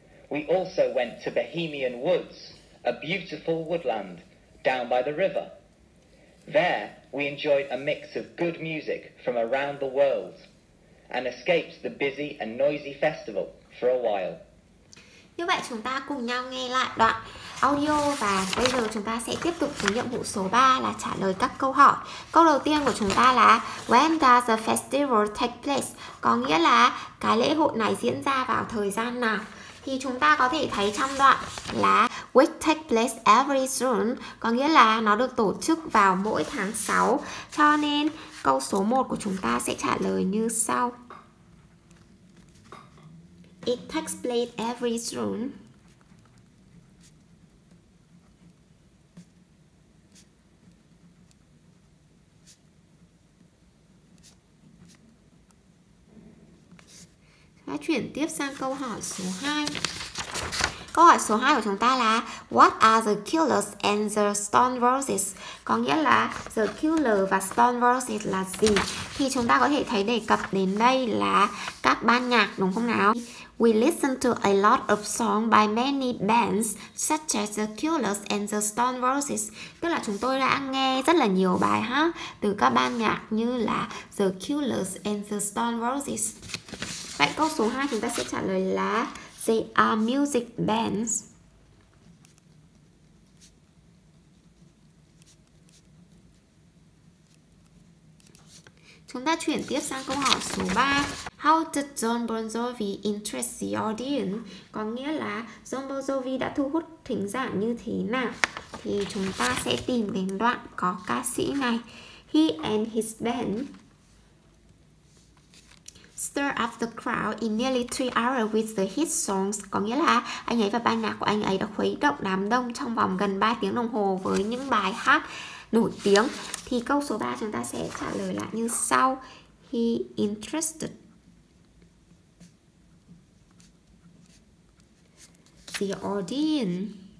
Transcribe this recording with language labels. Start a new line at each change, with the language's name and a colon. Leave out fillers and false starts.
English: We also went to Bohemian Woods, a beautiful woodland down by the river. There, we enjoyed a mix of good music from around the world and escaped the busy and noisy festival for a while.
Vietnamese: Như vậy chúng ta cùng nhau nghe lại đoạn audio và bây giờ chúng ta sẽ tiếp tục với nhiệm vụ số 3 là trả lời các câu hỏi. Câu đầu tiên của chúng ta là
English: When does the festival take place?
Vietnamese: Có nghĩa là cái lễ hội này diễn ra vào thời gian nào? Thì chúng ta có thể thấy trong đoạn là
English: which take place every June,
Vietnamese: có nghĩa là nó được tổ chức vào mỗi tháng 6. Cho nên câu số 1 của chúng ta sẽ trả lời như sau.
English: It takes place every June.
Vietnamese: Và chuyển tiếp sang câu hỏi số 2. Câu hỏi số 2 của chúng ta là
English: What are the Killers and the Stone Roses?
Vietnamese: Có nghĩa là The Killers và Stone Roses là gì? Thì chúng ta có thể thấy đề cập đến đây là các ban nhạc đúng không nào?
English: We listen to a lot of songs by many bands such as The Killers and the Stone Roses.
Vietnamese: Tức là chúng tôi đã nghe rất là nhiều bài hát từ các ban nhạc như là The Killers and the Stone Roses. Vậy câu số 2 chúng ta sẽ trả lời là
English: They are music bands.
Vietnamese: Chúng ta chuyển tiếp sang câu hỏi số 3.
English: How did John Bon Jovi interest the audience?
Vietnamese: Có nghĩa là John Bon Jovi đã thu hút thính giả như thế nào? Thì chúng ta sẽ tìm đến đoạn có ca sĩ này.
English: He and his band stir up the crowd in nearly 3 hours with the hit songs.
Vietnamese: Có nghĩa là anh ấy và ban nhạc của anh ấy đã khuấy động đám đông trong vòng gần 3 tiếng đồng hồ với những bài hát nổi tiếng. Thì câu số 3 chúng ta sẽ trả lời lại như sau.
English: He interested the audience.